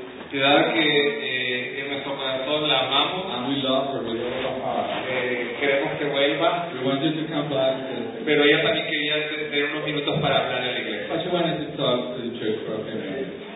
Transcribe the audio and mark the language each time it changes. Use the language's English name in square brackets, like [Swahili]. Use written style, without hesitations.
[Spanish] Ciudad que en nuestro corazón la amamos. [English] And we love her with all our heart. [Spanish] Queremos que vuelva. [English] We want you to come back. [Spanish] Pero ella también quería tener unos minutos para hablar en la iglesia. [English] But she wanted to talk to the church for a few minutes.